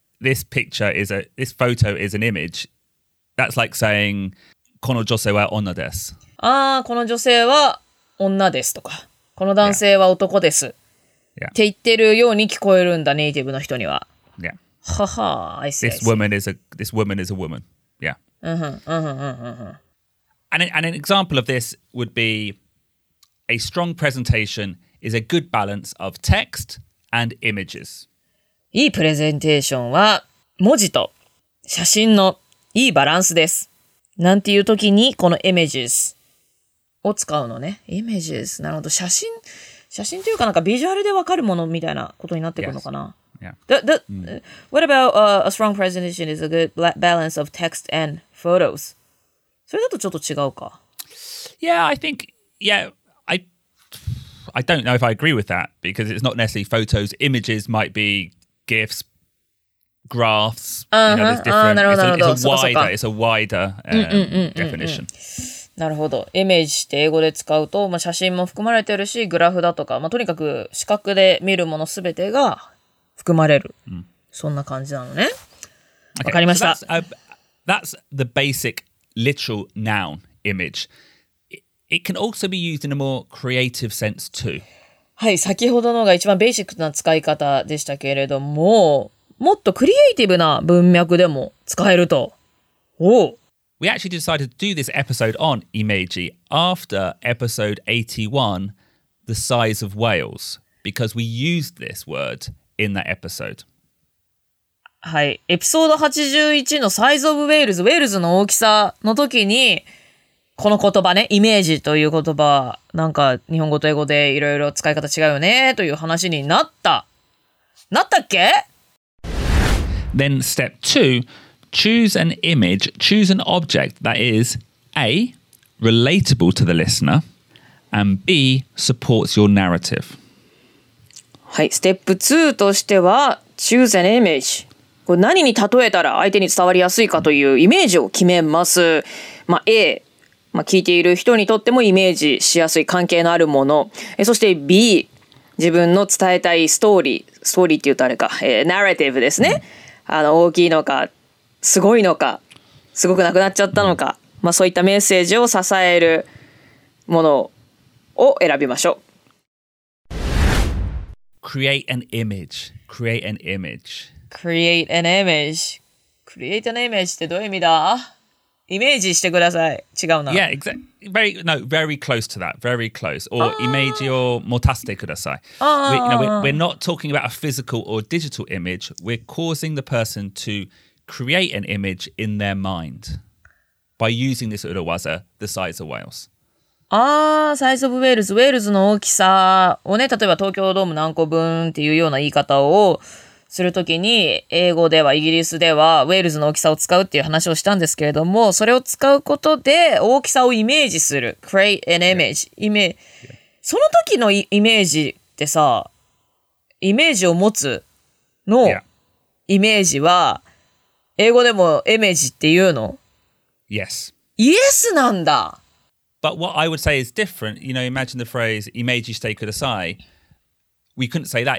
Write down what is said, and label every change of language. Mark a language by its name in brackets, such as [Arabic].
[English] This picture is a, this photo is an image. That's like saying, [Japanese] この女性は女です。ああ、この女性は女ですとか、この男性は男です。 [English] Yeah. [Japanese] って言ってるように聞こえるんだ、ネイティブの人には。 [English] Yeah. ははー、I see, I see. This woman is a woman. Yeah. [Japanese] うんうんうんうん。 [English] And an example of this would be, a strong presentation is a good balance of text,And images. [Japanese] いいプレゼンテーションは文字と写真のいいバランスです。なんていう時にこの images を使うのね。images。 なるほど。写真、写真というかなんかビジュアルでわかるものみたいなことになってくるのかな。 [English] Yes. Yeah. What about a strong presentation is a good balance of text and photos? [Japanese] それだとちょっと違うか。 [English] Yeah, I think, yeah, I don't know if I agree with that because it's not necessarily photos. Images might be GIFs, graphs. It's a wider definition. [Japanese] なるほど。イメージって英語で使うと、まあ、写真も含まれてるし、グラフだとか、まあ、とにかく視覚で見るものすべてが含まれる。 Mm. そんな感じなのね。わ、okay. かりました。 [English] So that's the basic literal noun image. It can also be used in a more creative sense too. [Japanese] はい、先ほどのが一番ベーシックな使い方でしたけれども、もっとクリエイティブな文脈でも使えると。おお。 [English] We actually decided to do this episode on Imeji after episode 81, The Size of Whales, because we used this word in that episode. [Japanese] はい、エピソード81の Size of Whales、ウェールズの大きさの時に、この言葉ね、イメージという言葉、なんか日本語と英語でいろいろ使い方違うよねという話になった。なったっけ? [English] Then step two, choose an image, choose an object that is A, relatable to the listener, and B, supports your narrative. [Japanese] はい、ステップ2としては、 [English] choose an image。 [Japanese] これ何に例えたら相手に伝わりやすいかというイメージを決めます。まあ、A、まあ、聞いている人にとってもイメージしやすい関係のあるもの。そして B、自分の伝えたいストーリー、ストーリーって言うとあれか、ナラティブですね。あの大きいのか、すごいのか、すごくなくなっちゃったのか、まあ、そういったメッセージを支えるものを選びましょう。 [English] Create an image. Create an image. Create an image. Create an image [Japanese] ってどういう意味だ? イメージしてください。違うな。 [English] Yeah, exactly. Very, no, very close to that. Very close. [Japanese] Or イメージを持たせてください。 [English] We're not talking about a physical or digital image. We're causing the person to create an image in their mind by using this urawaza, the size of whales. [Japanese] ああ、サイズオブウェールズ。ウェールズの大きさをね、例えば東京ドーム何個分っていうような言い方をするときに英語ではイギリスではウェールズの大きさを使うっていう話をしたんですけれどもそれを使うことで大きさをイメージする [English] create an image、 [Japanese] yeah. その時のイメージってさイメージを持つのイメージは英語でもイメージっていうの [English] yes [Japanese] yes なんだ [English] but what I would say is different you know imagine the phrase [Japanese] イメージしてください [English] We couldn't say that.